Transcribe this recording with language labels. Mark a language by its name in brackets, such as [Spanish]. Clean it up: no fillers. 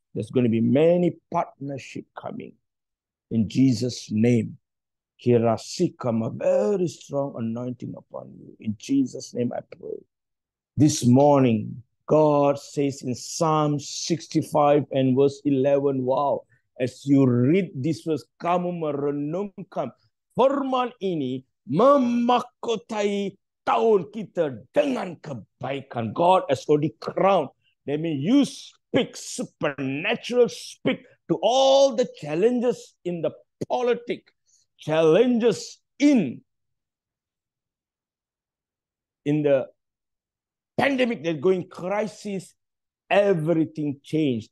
[English] There's going to be many partnership coming in Jesus' name. Kirasikam, a very strong anointing upon you. In Jesus' name, I pray. This morning, God says in Psalm 65 and verse 11, wow, as you read this verse, [Indonesian] kamu merenungkan firman ini memakotai tahun kita dengan kebaikan. [English] God has already crowned. That means you speak supernatural, speak to all the challenges in the politic, challenges in the pandemic that going crisis, everything changed.